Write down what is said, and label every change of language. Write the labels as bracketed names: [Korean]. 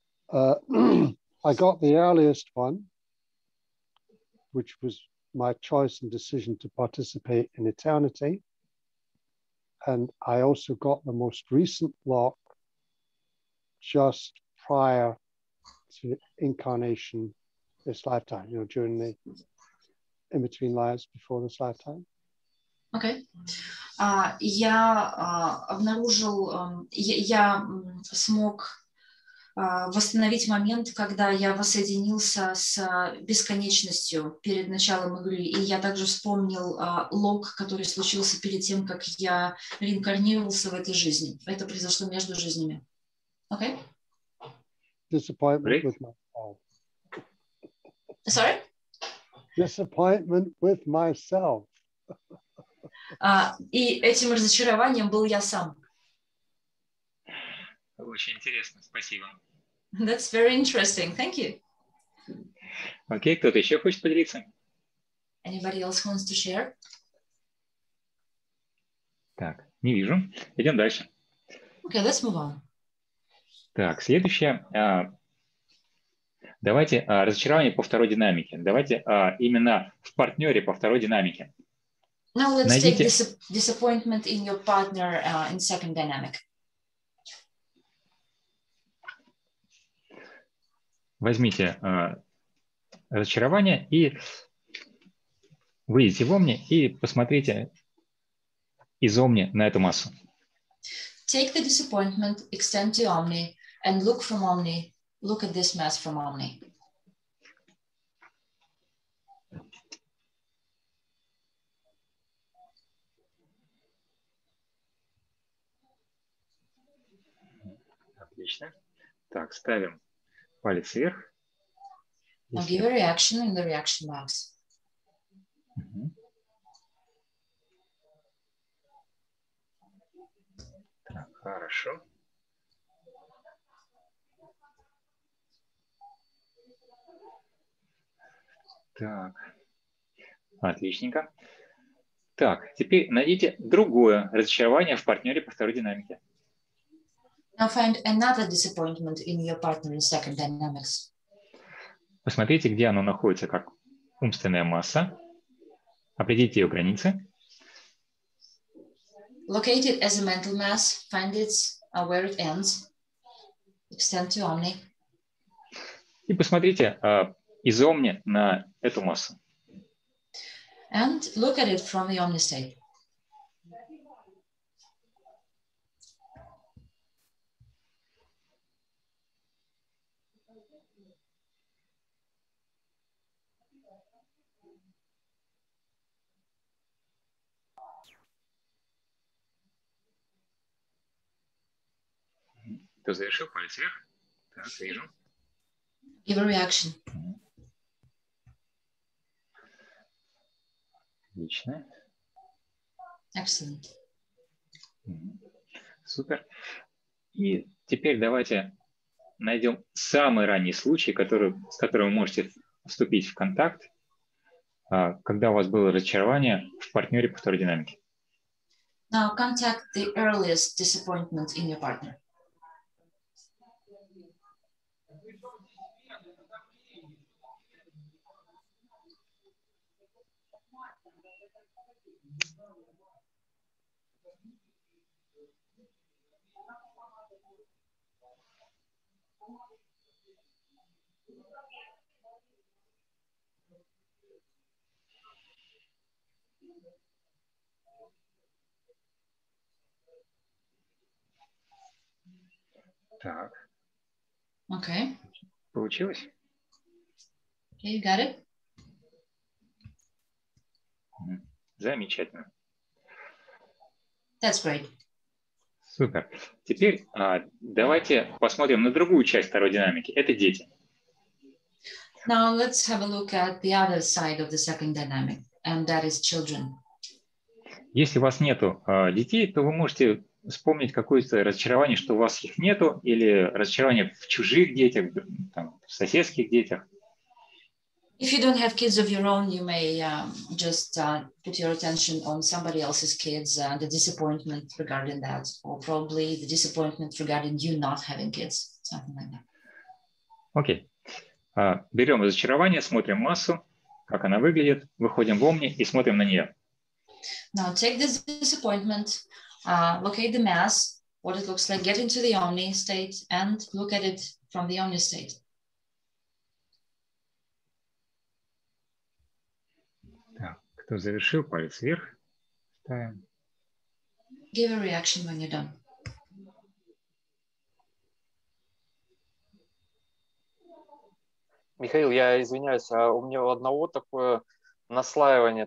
[English] I got the earliest one, which was my choice and decision to participate in eternity. And I also got the most recent lock just prior to incarnation this lifetime, you know, during the in-between lives before this lifetime. Okay. [Russian] Я обнаружил, я смог восстановить момент, когда я воссоединился с бесконечностью перед началом игры. И я также вспомнил лог, который случился перед тем, как я реинкарнировался в этой жизни. Это произошло между жизнями. Окей? [English] Okay? Disappointment with myself. Sorry? Disappointment with myself. [Russian] И этим разочарованием был я сам. Очень интересно. Спасибо. [English] That's very interesting. Thank you. [Russian] Окей, кто-то еще хочет поделиться? [English] Anybody else wants to share? [Russian] Так, не вижу. Идем дальше. [English] Okay, let's move on. [Russian] Так, следующее. Давайте разочарование по второй динамике. Давайте именно в партнере по второй динамике. [English] Now let's take disappointment in your partner in second dynamic. [Russian] Возьмите разочарование и выйдите в Omni и посмотрите из Omni на эту массу. [English] Take the disappointment, extend to Omni, and look from Omni, look at this mass from Omni. [Russian] Отлично. Так, ставим палец вверх. [English] Now give a reaction in the reaction box. [Russian] Так, хорошо. Так, отличненько. Так, теперь найдите другое разочарование в партнере по второй динамике. [English] Now find another disappointment in your partner in second dynamics. [Russian] Посмотрите, где оно находится, как умственная масса. Определите ее границы. [English] Locate it as a mental mass. Find it where it ends. Extend to Omni. [Russian] И посмотрите из Omni на эту массу. [English] And look at it from the Omni state. [Russian] Кто завершил? Палец вверх. Так, вижу. [English] Give a reaction. [Russian] Отлично. [English] Excellent. [Russian] Супер. И теперь давайте найдем самый ранний случай, с которым вы можете вступить в контакт, когда у вас было разочарование в партнере по второй динамике. [English] Now contact the earliest disappointment in your partner. [Russian] Так. [English] Okay. [Russian] Получилось? [English] Okay, you got it. [Russian] Замечательно. [English] That's great. [Russian] Супер. Теперь давайте посмотрим на другую часть второй динамики. Это дети. [English] Now let's have a look at the other side of the second dynamic, and that is children. [Russian] Если у вас нету детей, то вы можете вспомнить какое-то разочарование, что у вас их нету, или разочарование в чужих детях, там, в соседских детях. [English] If you don't have kids of your own, you may put your attention on somebody else's kids, the disappointment regarding that, or probably the disappointment regarding you not having kids, something like that. [Russian] Окей. Берем разочарование, смотрим массу, как она выглядит, выходим в Omni и смотрим на нее. [English] Now take this disappointment, locate the mass, what it looks like, get into the Omni state and look at it from the Omni state. [Russian] Кто завершил, палец вверх. Ставим. [English] Give a reaction when you're done. [Russian] Михаил, я извиняюсь, а у меня у одного такое наслаивание.